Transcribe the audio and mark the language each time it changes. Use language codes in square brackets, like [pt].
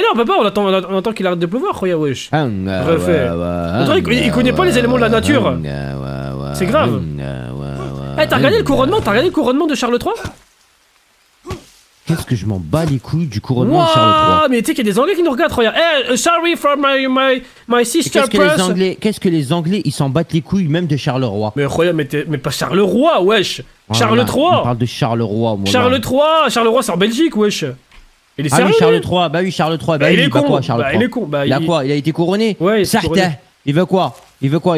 [fr] non on peut pas, on attend qu'il arrête de pleuvoir, croyez wesh. Refait. Il connaît pas les éléments de la nature. C'est grave. Eh t'as regardé le couronnement de Charles III? Qu'est-ce que je m'en bats les couilles du couronnement de Charles III? Mais tu sais qu'il y a des Anglais qui nous regardent, regarde. [en] Eh, hey, sorry for my sister. [fr] Qu'est-ce que les Anglais, ils s'en battent les couilles même de Charles III? Mais croyez, mais pas Charles III, wesh. Charles III. On parle de Charles III, moi. Charles III, c'est en Belgique, wesh. Il est sérieux? Ah oui, Charles III, bah oui, Charles III. Bah, il est con. Quoi, Charles III? Bah, il est con. Bah, il a quoi? Il a été couronné? Ouais, il est couronné. Certes. Il veut quoi?